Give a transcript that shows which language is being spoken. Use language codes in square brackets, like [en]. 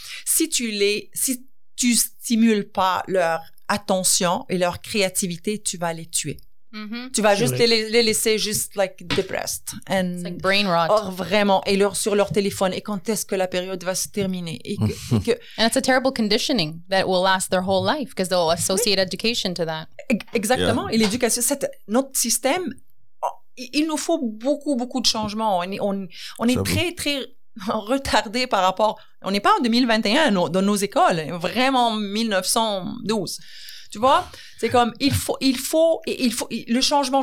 [fr] Si tu stimules pas leur attention et leur créativité, tu vas les tuer. Tu vas juste les laisser juste [en] like depressed and like brain rot. [fr] Or vraiment et leur sur leur téléphone et quand est-ce que la période va se terminer et que [en] and it's a terrible conditioning that will last their whole life because they'll associate education to that. [fr] Exactement, et l'éducation, notre système, il nous faut beaucoup de changements. On est très très retardé par rapport, on n'est pas en 2021 dans nos écoles, vraiment 1912. Tu vois, c'est comme il faut le changement.